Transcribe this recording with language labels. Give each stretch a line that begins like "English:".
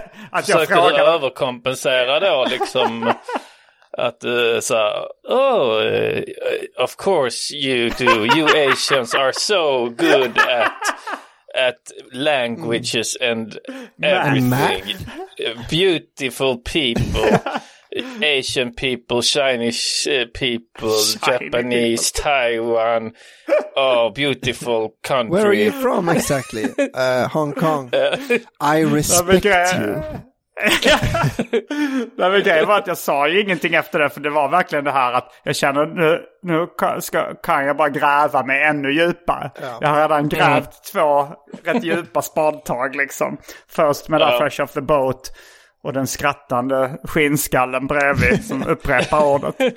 Swedish: att jag försökte frågade. Försökte du överkompensera då liksom, att så här,
English: oh, of course you do, you Asians are so good at languages and everything. Beautiful people. Asian people, Chinese people, Chinese Japanese people. Taiwan. Oh, beautiful country. Where are you from exactly? Hong Kong. I respect you.
Swedish: Nej, men grejen var att jag sa ju ingenting efter det, för det var verkligen det här att jag känner nu kan jag bara gräva mig ännu djupare. Ja. Jag har redan grävt två rätt djupa spadtag liksom. Först med där
English: fresh off the boat
Swedish: och den skrattande skinnskallen bredvid som upprepar ordet.